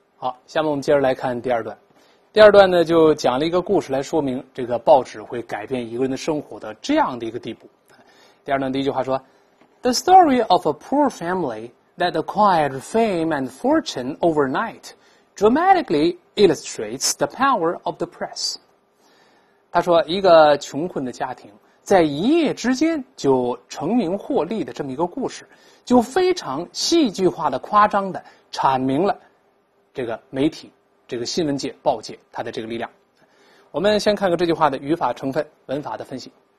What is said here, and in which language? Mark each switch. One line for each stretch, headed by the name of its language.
Chinese: 好，下面我们接着来看第二段。第二段呢，就讲了一个故事来说明这个报纸会改变一个人的生活的这样的一个地步。第二段第一句话说 ：“
English: The story of a poor family that acquired fame and fortune overnight dramatically illustrates the power of the press。”
Chinese: 他说，一个穷困的家庭在一夜之间就成名获利的这么一个故事，就非常戏剧化的、夸张的阐明了。这个媒体、这个新闻界、报界，它的这个力量，我们先看看这句话的语法成分、文法的分析。